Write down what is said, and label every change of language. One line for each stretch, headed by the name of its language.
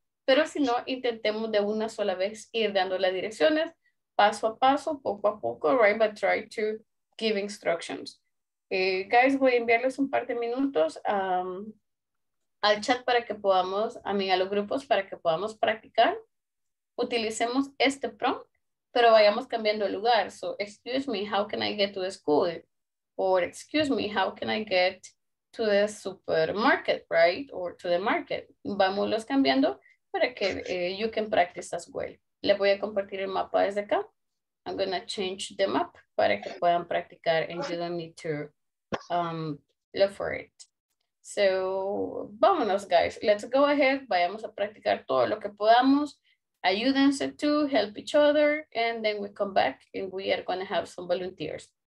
Spanish: Pero si no, intentemos de una sola vez ir dando las direcciones, paso a paso, poco a poco,
English: right? But try to give instructions.
Spanish: Guys, voy a enviarles un par de minutos. al chat para que podamos, a mí, a los grupos para que podamos practicar, utilicemos este prompt, pero vayamos cambiando el lugar.
English: So, excuse me, how can I get to the school? Or excuse me, how can I get to the supermarket, right? Or to the market.
Spanish: Vámonos cambiando para que
English: you can practice as well.
Spanish: Le voy a compartir el mapa desde acá.
English: I'm going to change the map
Spanish: para que puedan practicar
English: and you don't need to look for it.
Spanish: So, vámonos, guys.
English: Let's go ahead.
Spanish: Vayamos a practicar todo lo que podamos.
English: Ayúdense to help each other. And then we come back and we are going to have some volunteers.